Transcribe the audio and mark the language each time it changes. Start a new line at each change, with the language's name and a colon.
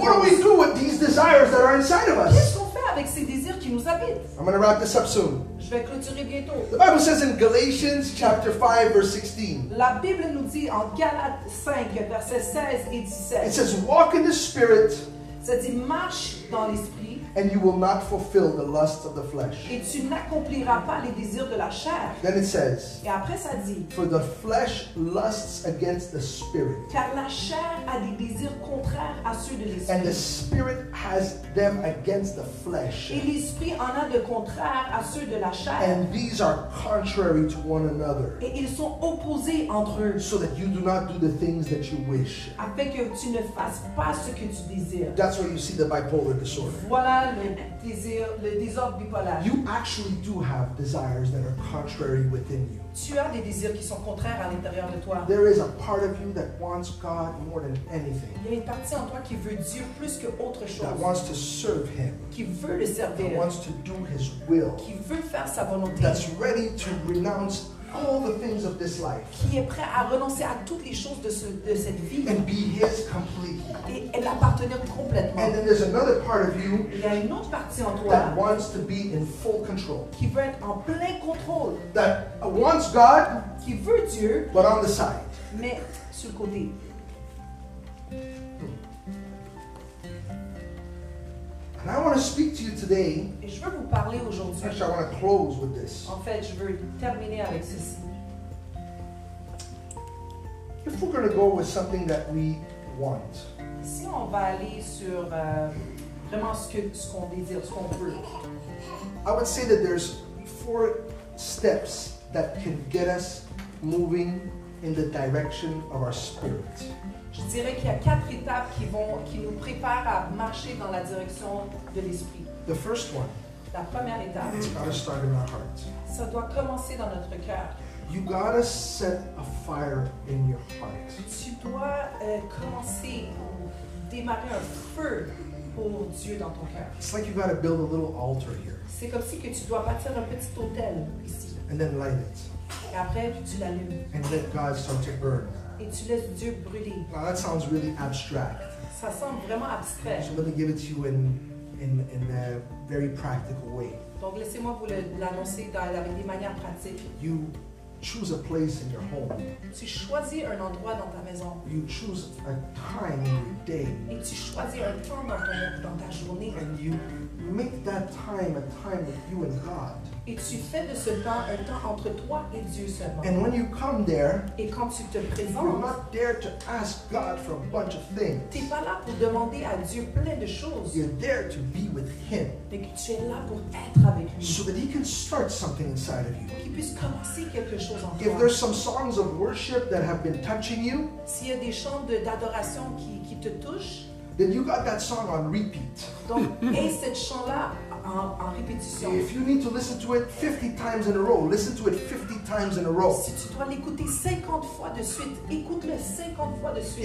English: what do we do with these desires that are inside of us?
French: Qu'est-ce qu'on fait avec ces désirs qui nous habitent?
English: I'm going to wrap this up soon.
French: Je vais clôturer bientôt.
English: The Bible says in Galatians chapter 5 verse 16.
French: La Bible nous dit en Galates 5 verset 16 et 17.
English: It says walk in the spirit.
French: Ça dit marche dans l'esprit.
English: And you will not fulfill the lusts of the flesh.
French: Et tu n'accompliras pas les désirs de la chair.
English: Then it says.
French: Et après ça dit.
English: For the flesh lusts against the spirit.
French: Car la chair a des désirs contraires à ceux de l'esprit.
English: And the spirit has them against the flesh.
French: Et l'esprit en a de contraires à ceux de la chair.
English: And these are contrary to one another.
French: Et ils sont opposés entre eux.
English: So that you do not do the things that you wish.
French: Afin que tu ne fasses pas ce que tu désires.
English: That's where you see the bipolar disorder.
French: Voilà le désordre bipolaire.
English: You actually do have desires that are contrary within you.
French: Tu as des désirs qui sont contraires à l'intérieur de toi.
English: There is a part of you that wants God more than anything.
French: Il y a une partie en toi qui veut Dieu plus que autre chose.
English: That wants to serve him.
French: Qui veut le servir.
English: That wants to do his will.
French: Qui veut faire sa volonté.
English: That's ready to renounce all the things of this life.
French: Qui est prêt à renoncer à toutes les choses de cette vie.
English: And be his completely.
French: Et l'appartenir complètement.
English: And then there's another part of you.
French: Il y a une autre partie en toi.
English: That wants to be in full control.
French: Qui veut être en plein contrôle.
English: That wants God.
French: Qui veut Dieu.
English: But on the side.
French: Mais sur le côté.
English: And I want to speak to you today.
French: Et je veux vous parler aujourd'hui.
English: Actually, I want to close with this.
French: En fait, je veux terminer avec ceci.
English: If we're going to go with something that we want.
French: Si on va aller sur vraiment ce qu'on désire, ce qu'on veut.
English: I would say that there's four steps that can get us moving in the direction of our spirit.
French: Je dirais qu'il y a quatre étapes qui nous préparent à marcher dans la direction de l'esprit.
English: The first one.
French: La première étape.
English: It's gotta start in our heart.
French: Ça doit commencer dans notre cœur.
English: You gotta set a fire in your heart.
French: Tu dois commencer pour démarrer un feu pour Dieu dans ton cœur.
English: It's like you gotta build a little altar here.
French: C'est comme si que tu dois bâtir un petit autel ici.
English: And then light it.
French: Et après, tu l'allumes.
English: And let God start to burn.
French: Et tu laisses Dieu brûler.
English: Now that sounds really abstract.
French: Ça semble vraiment abstrait.
English: So let me give it to you in a very practical way.
French: Donc laissez-moi vous l'annoncer avec des manières pratiques.
English: You choose a place in your home.
French: Tu choisis un endroit dans ta maison.
English: You choose a time in your day.
French: Et tu choisis un temps dans ta journée.
English: And you make that time a time with you and God.
French: Et tu fais de ce temps un temps entre toi et Dieu seulement.
English: And when you come there,
French: et quand tu te présentes,
English: you're not there to ask God for a bunch of things.
French: T'es pas là pour demander à Dieu plein de choses.
English: You're there to be with Him.
French: Mais que tu es là pour être avec lui.
English: So that He can start something inside of you.
French: Pour qu'il puisse commencer quelque chose en toi.
English: If there's some songs of worship that have been touching you,
French: s'il y a des chants d'adoration qui te touchent,
English: then you got that song on repeat.
French: Donc, et cette chanson-là en répétition.
English: If you need to listen to it 50 times in a row, listen to it 50 times in a row.
French: Si tu dois l'écouter 50 fois de suite, écoute-le 50 fois de suite.